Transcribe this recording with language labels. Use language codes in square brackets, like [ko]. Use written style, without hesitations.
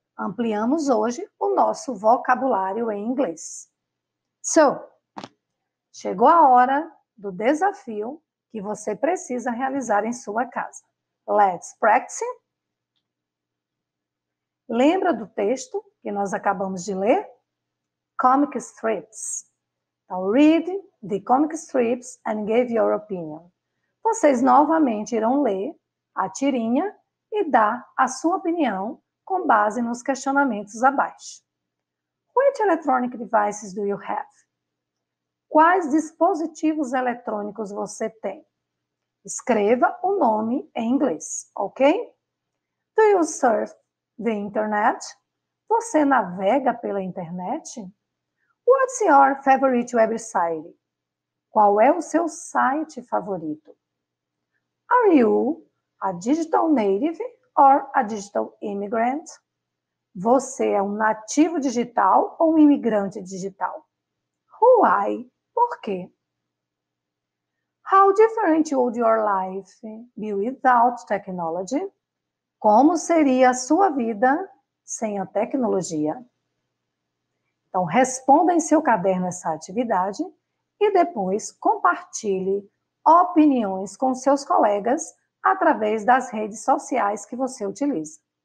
[pt] Ampliamos hoje o nosso vocabulário em inglês. So, chegou a hora do desafio que você precisa realizar em sua casa. [en] Let's practice! [pt] Lembra do texto que nós acabamos de ler? [en] Comic strips. Now read the comic strips and give your opinion. [pt] Vocês novamente irão ler a tirinha e dar a sua opinião com base nos questionamentos abaixo. [en] Which electronic devices do you have? [pt] Quais dispositivos eletrônicos você tem? Escreva o nome em inglês, ok? [en] Do you surf the internet? [pt] Você navega pela internet? [en] What's your favorite website? [pt] Qual é o seu site favorito? [en] Are you a digital native or a digital immigrant? [pt] Você é um nativo digital ou um imigrante digital? [en] Why? [pt] Por quê? [en] How different would your life be without technology? [pt] Como seria a sua vida sem a tecnologia? Então, responda em seu caderno essa atividade e depois compartilhe opiniões com seus colegas através das redes sociais que você utiliza.